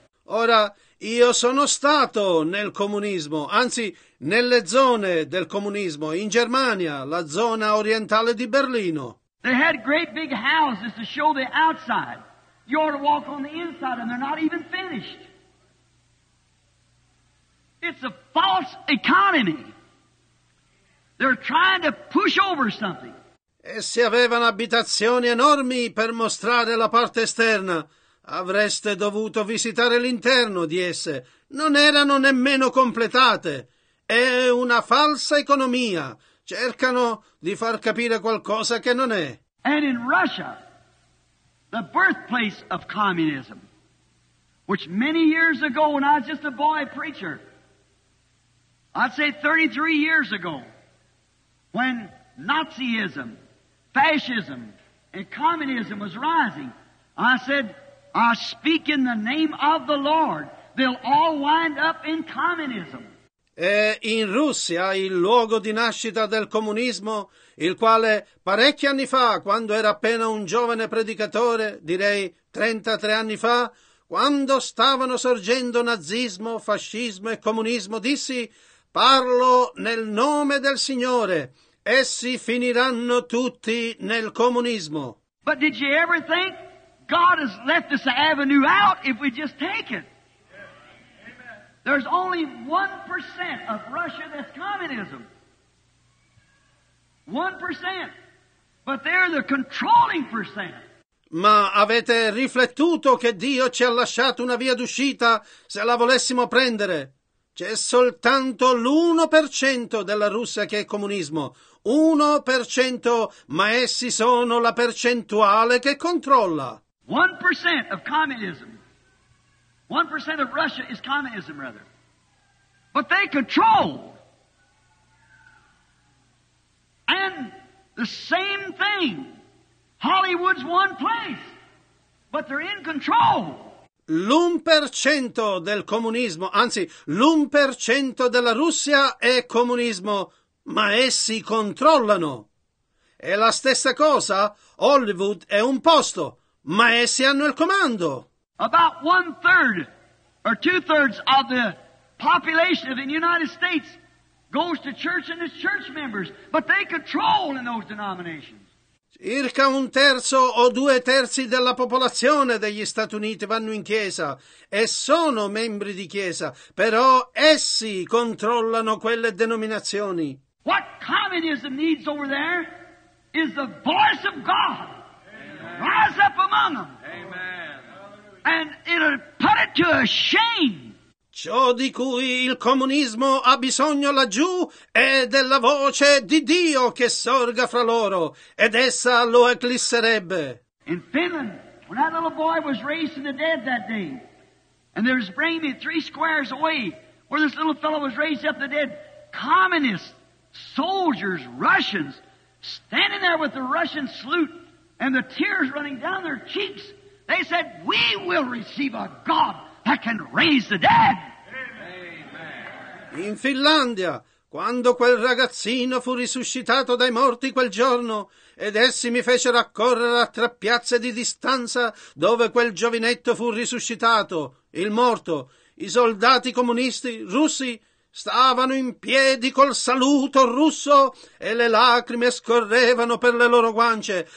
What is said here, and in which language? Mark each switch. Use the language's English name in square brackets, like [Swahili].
[Italian] Ora, io sono stato nel comunismo, anzi, nelle zone del comunismo, in Germania, la zona orientale di Berlino. [English] They had great big houses to show the outside. You ought to walk on the inside and they're not even finished. It's a false economy. They're trying to push over something. [Italian] Essi avevano abitazioni enormi per mostrare la parte esterna. Avreste dovuto visitare l'interno di esse. Non erano nemmeno completate. È una falsa economia. Cercano di far capire qualcosa che non è. [English] And in Russia, the birthplace of communism, which many years ago, when I was just a boy preacher, I'd say 33 years ago, when Nazism, fascism, and communism was rising, I said, I speak in the name of the Lord. They'll all wind up in communism. [Italian] E in Russia, il luogo di nascita del comunismo, il quale parecchi anni fa, quando era appena un giovane predicatore, direi 33 anni fa, quando stavano sorgendo nazismo, fascismo e comunismo, dissi, parlo nel nome del Signore, essi finiranno tutti nel comunismo. [English] But did you ever think God has left us an avenue out if we just take it? There's only 1% of Russia that's communism. 1%. But they're the controlling percent. [Italian] Ma avete riflettuto che Dio ci ha lasciato una via d'uscita se la volessimo prendere? C'è soltanto l'1% della Russia che è comunismo. 1%, ma essi sono la percentuale che controlla. [English] 1% of communism. 1% of Russia is communism, rather. But they control. And the same thing. Hollywood's one place. But they're in control. [Italian] L'1% del comunismo, anzi, l'1% della Russia è comunismo, ma essi controllano. È la stessa cosa. Hollywood è un posto, ma essi hanno il comando. [English] About one third or two thirds of the population of the United States goes to church and its church members, but they control in those denominations. [Italian] Circa un terzo o due terzi della popolazione degli Stati Uniti vanno in chiesa e sono membri di chiesa, però essi controllano quelle denominazioni. [English] What communism needs over there is the voice of God. Amen. Rise up among them. Amen. And it'll put it to a shame. [Italian] Ciò di cui il comunismo ha bisogno laggiù è della voce di Dio che sorga fra loro, ed essa lo eclisserebbe. [English] In Finland, when that little boy was raised from the dead that day, and they was bringing me three squares away where this little fellow was raised up the dead, communist soldiers, Russians, standing there with the Russian salute and the tears running down their cheeks, they said, we will receive a God that can raise the dead. [Italian] In Finlandia, quando quel ragazzino fu risuscitato dai morti quel giorno, ed essi mi fecero accorrere a tre piazze di distanza dove quel giovinetto fu risuscitato, il morto, i soldati comunisti russi stavano in piedi col saluto russo e le lacrime scorrevano per le loro guance.